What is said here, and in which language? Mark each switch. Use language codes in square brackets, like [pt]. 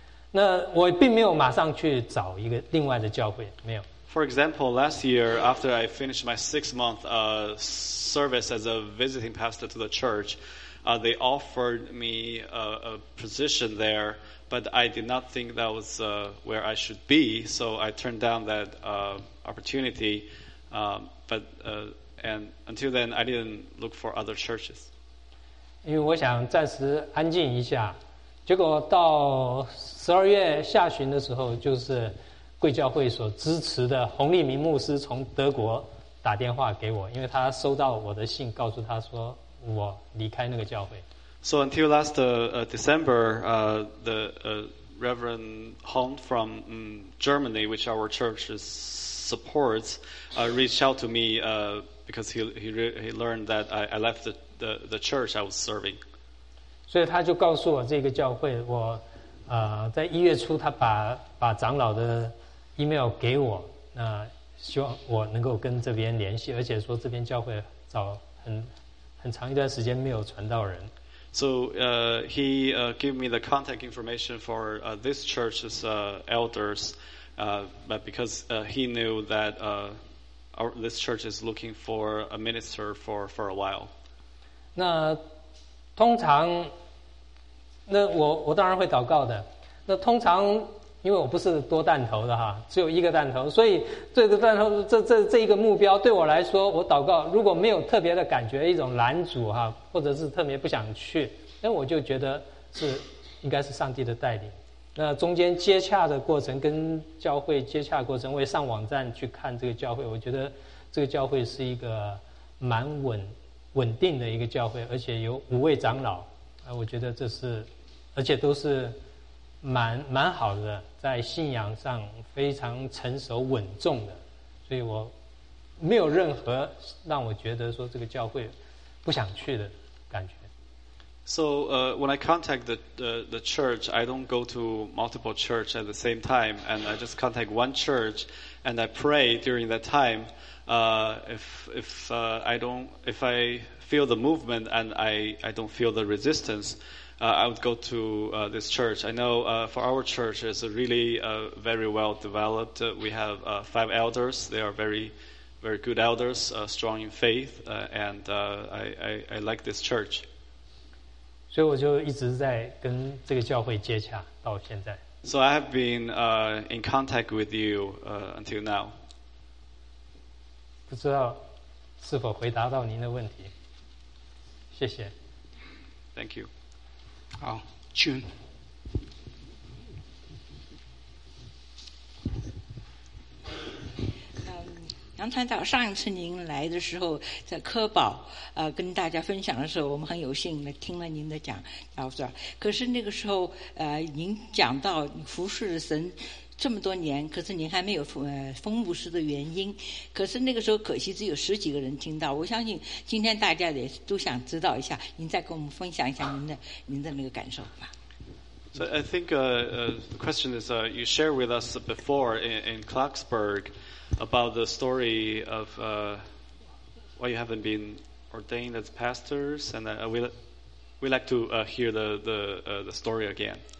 [zh] 那我并没有马上去找一个另外的教会，没有。 [en] For example, last year, after I finished my six-month service as a visiting pastor to the church, they offered me a position there, but I did not think that was where I should be, so I turned down that opportunity. And until then, I didn't look for other churches. [zh] 因为我想暂时安静一下，结果到十二月下旬的时候，就是贵教会所支持的洪立明牧师从德国打电话给我，因为他收到我的信，告诉他说我离开那个教会。 [en] So until last December, the Reverend Hong from Germany, which our church supports, reached out to me because he learned that I left the church I was serving. [zh] 所以他就告诉我这个教会，我在一月初他把长老的email 给我，那希望我能够跟这边联系，而且说这边教会早很长一段时间没有传道人。 [en] So he gave me the contact information for this church's elders, but because he knew that this church is looking for a minister for a while. [zh] 那通常，那我当然会祷告的。那通常，因为我不是多弹头的哈，只有一个弹头，所以这个弹头这一个目标对我来说，我祷告如果没有特别的感觉一种拦阻哈，或者是特别不想去，那我就觉得是应该是上帝的带领。那中间接洽的过程跟教会接洽的过程，我也上网站去看这个教会，我觉得这个教会是一个蛮稳定的一个教会，而且有五位长老，我觉得这是而且都是蛮好的，在信仰上非常成熟稳重的，所以我没有任何让我觉得说这个教会不想去的感觉。 [en] So when I contact the church, I don't go to multiple church at the same time, and I just contact one church, and I pray during that time. If I feel the movement and I don't feel the resistance. I would go to this church. I know for our church is really very well developed. We have five elders. They are very, very good elders, strong in faith, and I like this church. [zh] 所以我就一直在跟这个教会接洽到现在。 [en] So I have been in contact with you until now. [zh] 不知道是否回答到您的问题。谢谢。 [en] Thank you. [zh] 好 June 杨传道，上一次您来的时候在科宝跟大家分享的时候，我们很有幸来听了您的讲，可是那个时候您讲到你服侍神这么多年，可是您还没有封牧师的原因，可是那个时候可惜只有十几个人听到。我相信今天大家也都想知道一下，您再跟我们分享一下您的那个感受吧。 [en] So I think the question is you shared with us before in Clarksburg about the story of why you haven't been ordained as pastors, and we like to hear the story again.